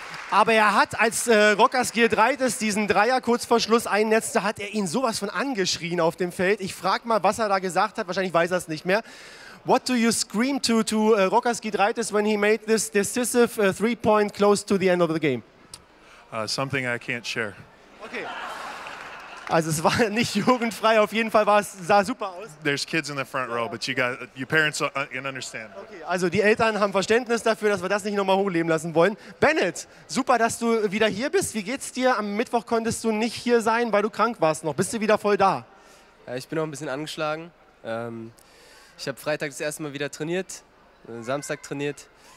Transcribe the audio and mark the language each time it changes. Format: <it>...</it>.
<de>Aber hat, als Rockers Gear 3 ist, diesen Dreier kurz vor Schluss einnetzte, hat ihn sowas von angeschrien auf dem Feld. Ich frag mal, was da gesagt hat. Wahrscheinlich weiß es nicht mehr.</de> <en>What do you scream to Rockers Gear 3 when he made this decisive three-point close to the end of the game? Something I can't share. Okay.</en> <de>Also es war nicht jugendfrei, auf jeden Fall war es, sah super aus.</de> <en>There's kids in the front row, but your parents can understand.</en> <de>Okay, also die Eltern haben Verständnis dafür, dass wir das nicht nochmal hochleben lassen wollen. Bennet, super, dass du wieder hier bist. Wie geht's dir? Am Mittwoch konntest du nicht hier sein, weil du krank warst noch. Bist du wieder voll da? Ja, ich bin noch ein bisschen angeschlagen. Ich habe Freitag das erste Mal wieder trainiert, Samstag trainiert.</de>